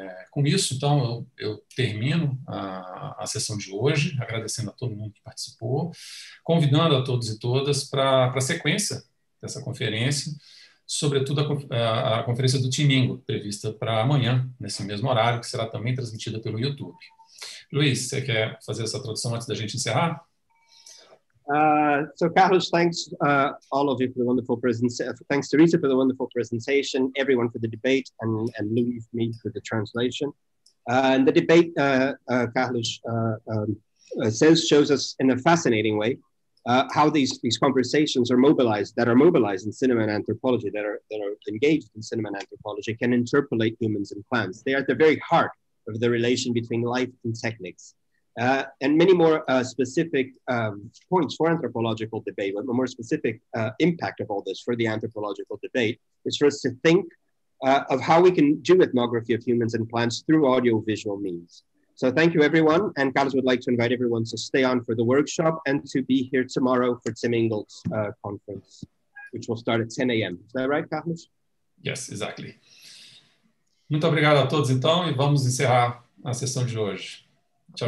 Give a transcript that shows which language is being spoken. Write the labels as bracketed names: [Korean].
[Portuguese] Com isso, então, eu termino a sessão de hoje, agradecendo a todo mundo que participou, convidando a todos e todas para a sequência dessa conferência, sobretudo a conferência do Timingo, prevista para amanhã, nesse mesmo horário, que será também transmitida pelo YouTube. Luiz, você quer fazer essa tradução antes da gente encerrar? [English] So, Carlos, thanks all of you for the wonderful presentation. Thanks, Teresa, for the wonderful presentation. Everyone for the debate, and leave me for the translation. And the debate, Carlos says, shows us in a fascinating way how these conversations are mobilized, that are mobilized in cinema and anthropology, that are engaged in cinema and anthropology, can interpolate humans and plants. They are at the very heart of the relation between life and techniques. And many more specific points for anthropological debate, but the more specific impact of all this for the anthropological debate is for us to think of how we can do ethnography of humans and plants through audiovisual means. So thank you, everyone. And Carlos would like to invite everyone to stay on for the workshop and to be here tomorrow for Tim Engel's conference, which will start at 10 a.m. Is that right, Carlos? Yes, exactly. [Portuguese] Muito obrigado a todos, então, e vamos encerrar a sessão de hoje. Tchau,